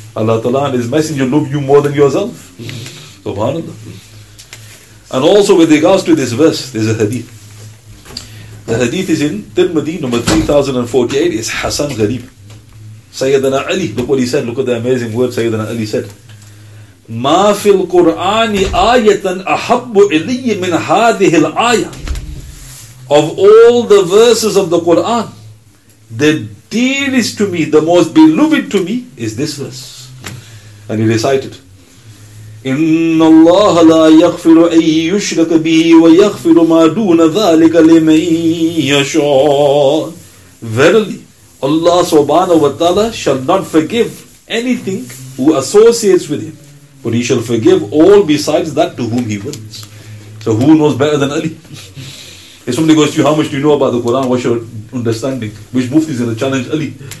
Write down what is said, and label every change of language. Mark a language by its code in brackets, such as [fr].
[en] Allah Ta'ala and His Messenger love you more than yourself. Subhanallah. And also with regards to this verse, there's a hadith. The hadith is in Tirmidhi number 3048. It's Hassan Gharib. Sayyidina Ali. Look what he said. Look at the amazing words Sayyidina Ali said. [ar] ما في القرآن آية أحب إلي من هذه الآية. [en] Of all the verses of the Quran, the dearest to me, the most beloved to me, is this verse. And he recited, [ar] إن الله لا يغفر أي يشرك به ويغفر ما دون ذلك لمن يشاء. [en] Verily, Allah subhanahu wa ta'ala shall not forgive anything who associates with him. But he shall forgive all besides that to whom he wills. So who knows better than Ali? If somebody goes to you, how much do you know about the Quran? What's your understanding? Which Mufti is going to challenge Ali?